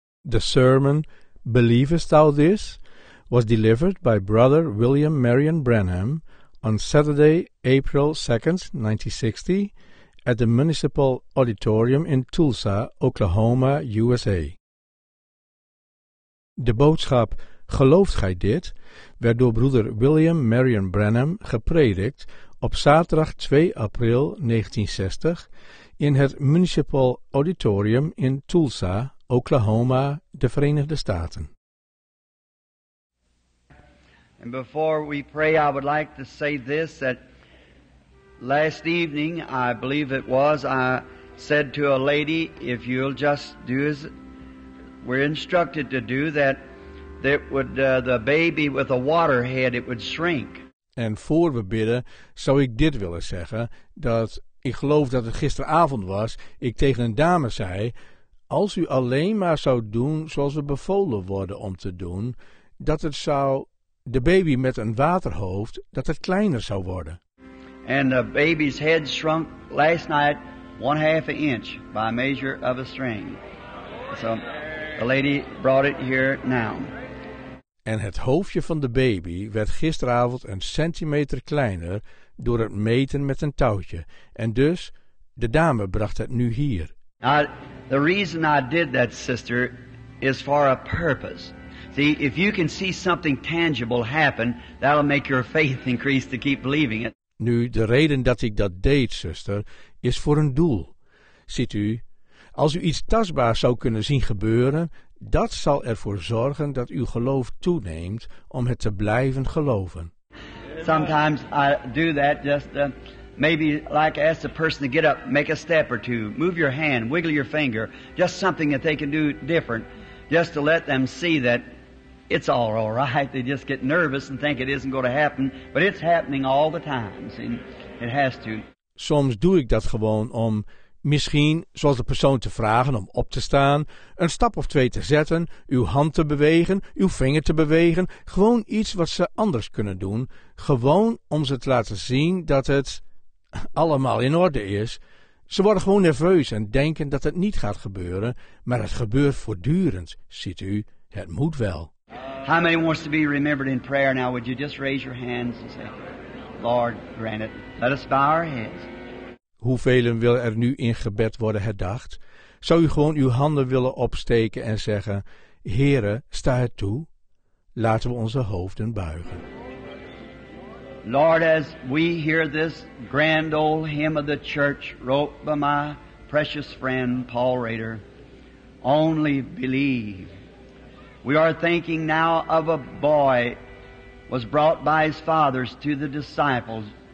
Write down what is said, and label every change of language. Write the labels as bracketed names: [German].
[English] The sermon, "Believest Thou This?", was delivered by Brother William Marion Branham on Saturday, April 2, 1960, at the Municipal Auditorium in Tulsa, Oklahoma, USA. [Dutch] De boodschap "Gelooft gij dit?" werd door broeder William Marion Branham gepredikt op zaterdag 2 april 1960 in het Municipal Auditorium in Tulsa, Oklahoma, de Verenigde Staten. [English] And before we pray, I would like to say this, that last evening, I believe it was, I said to a lady, if you'll just do as we're instructed to do, that would the baby with a water head, it would shrink. [Dutch] En voor we bidden, zou ik dit willen zeggen, dat ik geloof dat het gisteravond was, ik tegen een dame zei, als u alleen maar zou doen zoals we bevolen worden om te doen, dat het zou, de baby met een waterhoofd, dat het kleiner zou worden. [English] And the baby's head shrunk last night 1/2 inch by measure of a string. So the lady brought it here now. [Dutch] En het hoofdje van de baby werd gisteravond 1 centimeter kleiner door het meten met een touwtje. En dus, de dame bracht het nu hier. [English] The reason I did that, sister, is for a purpose. See, if you can see something tangible happen, that'll make your faith increase to keep believing it. [Dutch] Nu, de reden dat ik dat deed, zuster, is voor een doel. Ziet u, als u iets tastbaars zou kunnen zien gebeuren, dat zal ervoor zorgen dat uw geloof toeneemt om het te blijven geloven. [English] Sometimes I do that just maybe like ask a person to get up, make a step or two, move your hand, wiggle your finger, just something that they can do different, just to let them see that it's all right. They just get nervous and think it isn't going to happen, but it's happening all the time. See, it has to. [Dutch] Soms doe ik dat gewoon om misschien, zoals de persoon te vragen om op te staan, 1 stap of 2 te zetten, uw hand te bewegen, uw vinger te bewegen, gewoon iets wat ze anders kunnen doen, gewoon om ze te laten zien dat het allemaal in orde is. Ze worden gewoon nerveus en denken dat het niet gaat gebeuren, maar het gebeurt voortdurend, ziet u, het moet wel. [English] How many wants to be remembered in prayer now? Would you just raise your hands and say, Lord, grant it. Let us bow our heads. [Dutch] Hoeveel wil er nu in gebed worden herdacht? Zou u gewoon uw handen willen opsteken en zeggen, Heere, sta het toe. Laten we onze hoofden buigen. [English] Lord, as we hear this grand old hymn of the church wrote by my precious friend Paul Rader, only believe. We are thinking now of a boy was brought by his fathers to the disciples.